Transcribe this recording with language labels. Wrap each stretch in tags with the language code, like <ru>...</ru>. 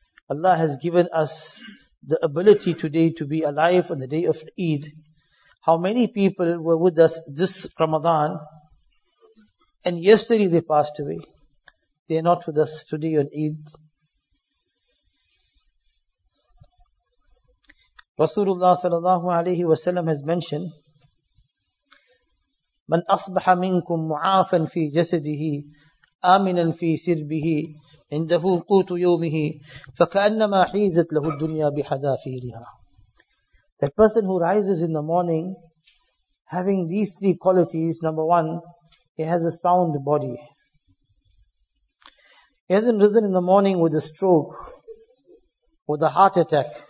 <en>Allah has given us the ability today to be alive on the day of Eid. How many people were with us this Ramadan and yesterday they passed away. They are not with us today on Eid. Rasulullah sallallahu alayhi wa sallam has mentioned,</en> <ar>من أصبح منكم معافا في جسده آمنا في سربه عنده قوت يومه فكأنما حيزت له الدنيا بحذافيرها.</ar> <en>That person who rises in the morning having these three qualities, number one, he has a sound body. He hasn't risen in the morning with a stroke, with a heart attack.</en>